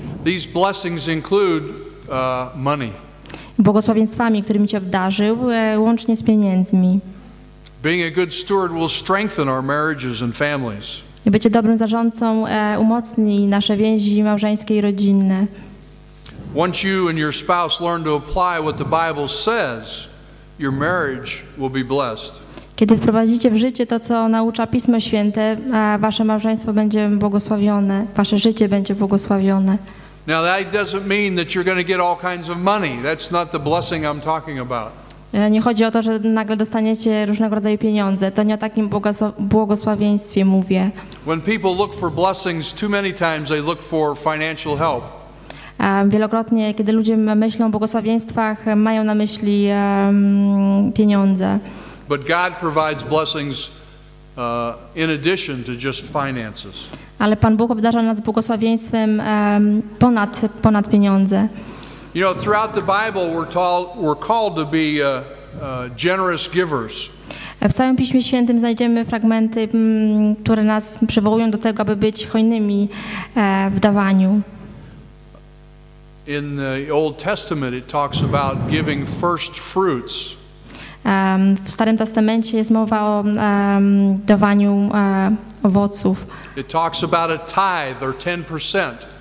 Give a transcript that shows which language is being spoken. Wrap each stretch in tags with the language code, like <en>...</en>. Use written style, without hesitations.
<en>These blessings include money.</en> <pl>Błogosławieństwami, którymi cię obdarzył, łącznie z pieniędzmi.</pl> <en>Being a good steward will strengthen our marriages and families.</en> <pl>Bycie dobrym zarządcą umocni nasze więzi małżeńskie i rodzinne.</pl> <en>Once you and your spouse learn to apply what the Bible says, your marriage will be blessed.</en> <pl>Kiedy wprowadzicie w życie to, co naucza Pismo Święte, wasze małżeństwo będzie błogosławione, wasze życie będzie błogosławione.</pl> <en>Now that doesn't mean that you're going to get all kinds of money. That's not the blessing I'm talking about.</en> <pl>Nie chodzi o to, że nagle dostaniecie różnego rodzaju pieniądze. To nie o takim błogosławieństwie mówię.</pl> <en>When people look for blessings, too many times they look for financial help.</en> <pl>Wielokrotnie, kiedy ludzie myślą o błogosławieństwach, mają na myśli pieniądze.</pl> <en>But God provides blessings in addition to just finances.</en> <pl>Ale Pan Bóg obdarza nas błogosławieństwem ponad pieniądze.</pl> <en>You know, throughout the Bible we're called to be generous givers.</en> <pl>W całym Piśmie Świętym znajdziemy fragmenty, które nas przywołują do tego, aby być hojnymi w dawaniu.</pl> <en>In the Old Testament it talks about giving first fruits.</en> <pl>W Starym Testamencie jest mowa o dawaniu owoców.</pl> <en>It talks about a tithe or 10%.</en>